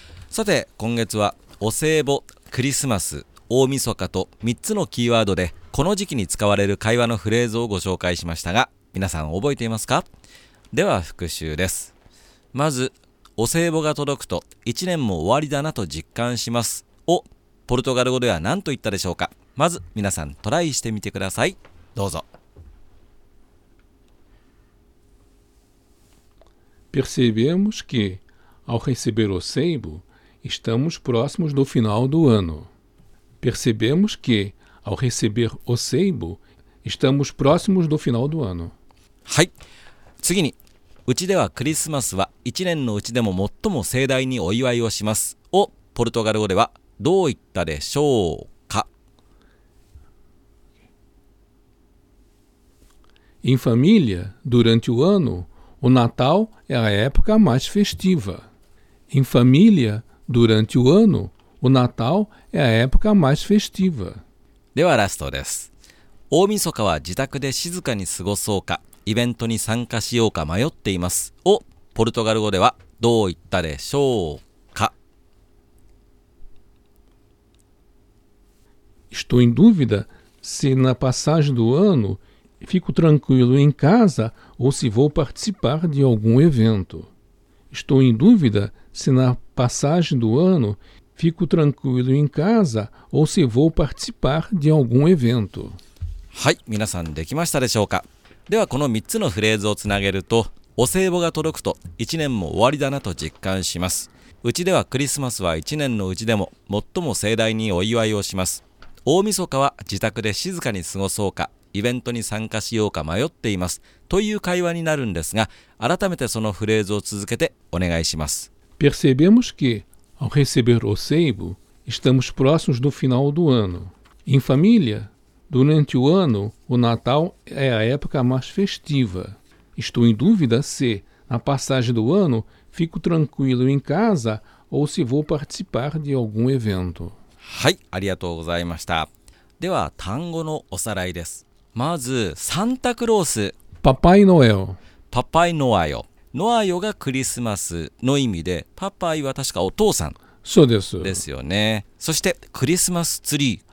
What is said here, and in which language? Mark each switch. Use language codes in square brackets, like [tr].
[ja] さて今月はお歳暮、クリスマス、大晦日と3つのキーワードでこの時期に使われる会話のフレーズをご紹介しましたが、皆さん覚えていますか？では復習です。まずお歳暮が届くと1年も終わりだなと実感しますをポルトガル語では何と言ったでしょうか？まず皆さんトライしてみてください。どうぞ。 [pt] Percebemos que ao receber o seibo, estamos próximos do final do ano. Percebemos que ao receber o seibo, estamos próximos do final do ano. [ja] はい。次に、うちではクリスマスは1年のうちでも最も盛大にお祝いをしますをポルトガル語ではどう言ったでしょうか？ [pt] Em família, durante o ano,O Natal é a época mais festiva. Em família, durante o ano, o Natal é a época mais festiva. [ja] ではラストです。大晦日は自宅で静かに過ごそうか、イベントに参加しようか迷っています。をポルトガル語ではどう言ったでしょうか。 [pt] Estou em dúvida se na passagem do ano fico tranquilo em casa. Ou se vou participar de algum evento. Estou em dúvida se na passagem do ano fico tranquilo em casa ou se vou participar de algum evento. [ja] はい、皆さんできましたでしょうか。ではこの3つのフレーズをつなげると、お歳暮が届くと1年も終わりだなと実感します。うちではクリスマスは1年のうちでも最も盛大にお祝いをします。大晦日は自宅で静かに過ごそうか。イベントに参加しようか迷っていますという会話になるんですが、改めてそのフレーズを続けてお願いします。 [pt] Percebemos que ao receber o seibo estamos próximos do final do ano. Em família, durante o ano, o Natal é a época mais festiva. Estou em dúvida se na passagem do ano fico tranquilo em casa ou se vou participar de algum evento. [ja] はい、ありがとうございました。では単語のおさらいです。まずサンタクロース、パパイノエル、パパイノアヨ、ノアヨがクリスマスの意味で、パパイは確かお父さん、そうです、ですよね。そしてクリスマスツリー、